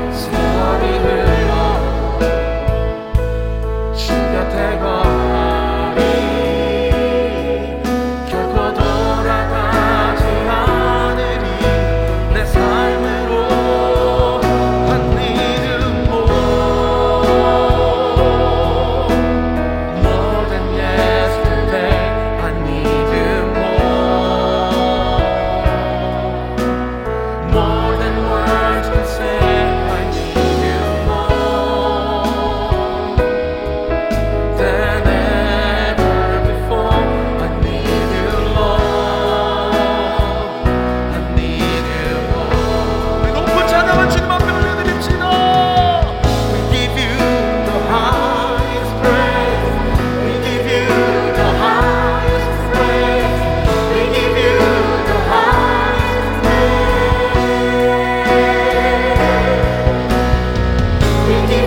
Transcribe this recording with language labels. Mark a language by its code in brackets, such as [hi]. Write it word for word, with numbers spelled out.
[ko] 세월이 흘러도 주 곁에 거하리 결코 돌아가지 않으리. 내 삶으로 한 이름 모 [en] More than yesterday. I need you more, more than words can say. I need you more than ever before. I need you, Lord. I need you, Lord. [ko] 우리 높은 찬양을 주님 앞에 올려드립시다. [en] We give you the highest praise. We give you the highest praise. We give you the highest praise. We give you the highest praise.